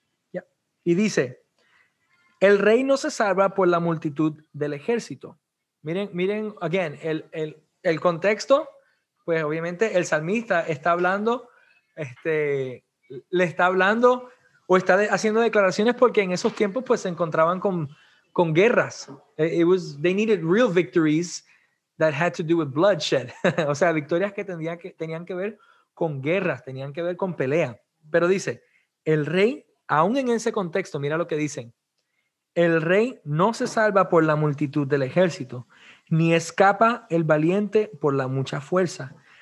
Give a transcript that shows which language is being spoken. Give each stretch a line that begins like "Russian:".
Spanish: Yeah. Y dice, el rey no se salva por la multitud del ejército. Miren,
English: again,
Spanish: el contexto, pues obviamente el salmista está hablando, le está hablando o está haciendo declaraciones porque en esos tiempos pues se encontraban con guerras.
English: They needed real victories that had to do with bloodshed.
Spanish: O sea, victorias que tenían que ver con guerras, tenían que ver con pelea. Pero dice, el rey, aún en ese contexto, mira lo que dicen. El rey no se salva por la multitud del ejército, ni escapa el valiente por la mucha fuerza.